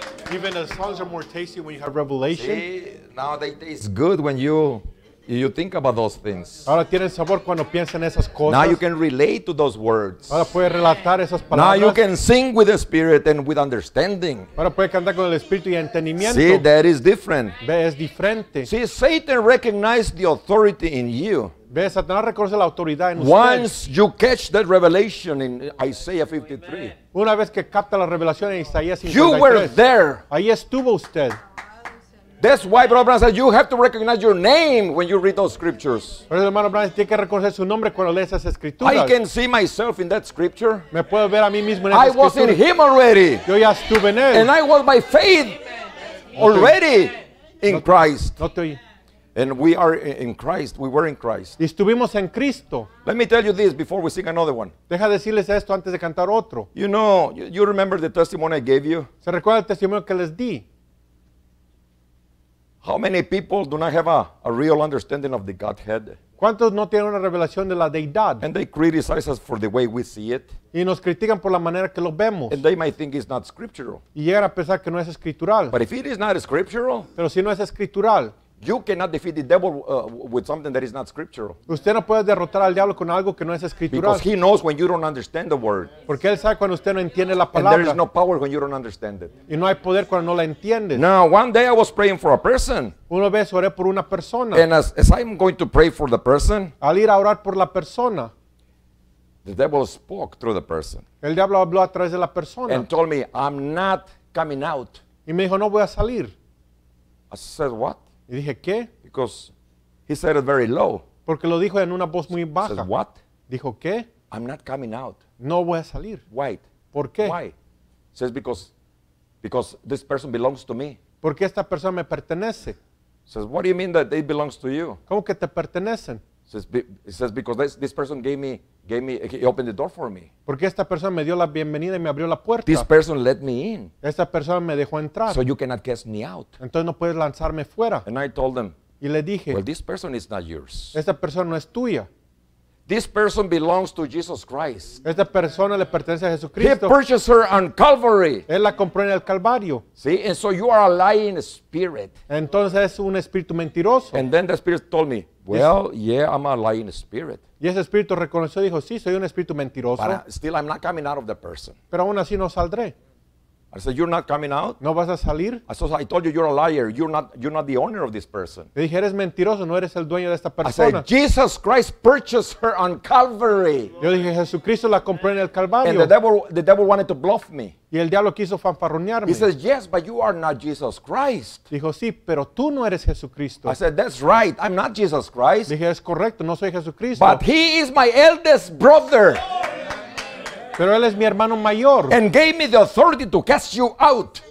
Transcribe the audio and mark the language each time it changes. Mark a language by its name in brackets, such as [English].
[English] Even the songs are more tasty when you have revelation. Sí, now they taste good when you think about those things. [Spanish] Ahora tienen sabor cuando piensan esas cosas. [English] Now you can relate to those words. [Spanish] Ahora puedes relatar esas palabras. [English] Now you can sing with the spirit and with understanding. [Spanish] Ahora puedes cantar con el espíritu y entendimiento. [English] See, that is different. [Spanish] Ve, es diferente. [English] See, Satan recognized the authority in you. Once you catch that revelation in Isaiah 53. [Spanish] Una vez que capta la revelación en Isaías [English] 53. You were there. [Spanish] Ahí estuvo usted. [English] That's why Brother Branham said you have to recognize your name when you read those scriptures. [Spanish] Pero el hermano Branham tiene que reconocer su nombre cuando lee esas escrituras. [English] I can see myself in that scripture. [Spanish] Me puedo ver a mí mismo en esa escritura. [English] I was in him already. [Spanish] Yo ya estuve en él. [English] And I was by faith already in Christ. And we are in Christ. We were in Christ. [Spanish] Estuvimos en Cristo. [English] Let me tell you this before we sing another one. [Spanish] Deja decirles esto antes de cantar otro. [English] You know, you remember the testimony I gave you? [Spanish] ¿Se recuerda el testimonio que les di? [English] How many people do not have a real understanding of the Godhead? [Spanish] ¿Cuántos no tienen una revelación de la Deidad? [English] And they criticize us for the way we see it. [Spanish] Y nos critican por la manera que lo vemos. [English] And they might think it's not scriptural. [Spanish] Y llegan a pensar que no es escritural. [English] But if it is not scriptural, [Spanish] pero si no es escritural, [English] You cannot defeat the devil with something that is not scriptural. [Spanish] Usted no puede derrotar al diablo con algo que no es escritural. [English] Because he knows when you don't understand the word. [Spanish] Porque él sabe cuando usted no entiende la palabra. [English] And there is no power when you don't understand it. [Spanish] Y no hay poder cuando no la entiende. [English] Now, one day I was praying for a person. [Spanish] Una vez oré por una persona. [English] And as I'm going to pray for the person, [Spanish] al ir a orar por la persona, [English] the devil spoke through the person. [Spanish] El diablo habló a través de la persona. [English] And told me, I'm not coming out. [Spanish] Y me dijo, no voy a salir. [English] I said, what? [Spanish] Y dije, ¿qué? [English] Because he said it very low. [Spanish] Porque lo dijo en una voz muy baja. [English] Says, what? [Spanish] Dijo, ¿qué? [English] I'm not coming out. [Spanish] No voy a salir. [English] Why? [Spanish] ¿Por qué? [English] Why? Says, because this person belongs to me. [Spanish] Porque esta persona me pertenece. [English] Says, what do you mean that it belongs to you? [Spanish] ¿Cómo que te pertenecen? [English] Says, because this person gave me, he opened the door for me. [Spanish] Porque esta persona me dio la bienvenida y me abrió la puerta. [English] This person let me in. [Spanish] Esta persona me dejó entrar. [English] So you cannot cast me out. [Spanish] Entonces no puedes lanzarme fuera. [English] And I told them. [Spanish] Y le dije. [English] Well, this person is not yours. [Spanish] Esta persona no es tuya. [English] This person belongs to Jesus Christ. [Spanish] Esta persona le pertenece a Jesucristo. [English] He purchased her on Calvary. [Spanish] Él la compró en el Calvario. [English] See, and so you are a lying spirit. [Spanish] Entonces es un espíritu mentiroso. [English] And then the spirit told me, well, yeah, I'm a lying spirit. [Spanish] Y ese espíritu reconoció y dijo, sí, soy un espíritu mentiroso. [English] But still, I'm not coming out of the person. [Spanish] Pero aún así no saldré. [English] I said, you're not coming out? [Spanish] ¿No vas a salir? [English] I told you, you're a liar. You're not the owner of this person. [Spanish] Le dije, eres mentiroso, no eres el dueño de esta persona. [English] I said, Jesus Christ purchased her on Calvary. [Spanish] Yo dije, Jesucristo la compró en el Calvario. [English] And the devil wanted to bluff me. [Spanish] Y el diablo quiso fanfarronearme. [English] He says, yes, but you are not Jesus Christ. [Spanish] Dijo, sí, pero tú no eres Jesucristo. [English] I said, that's right, I'm not Jesus Christ. [Spanish] Dije, es correcto, no soy Jesucristo. [English] But he is my eldest brother. [Spanish] Pero él es mi hermano mayor. [English] And gave me the authority to cast you out.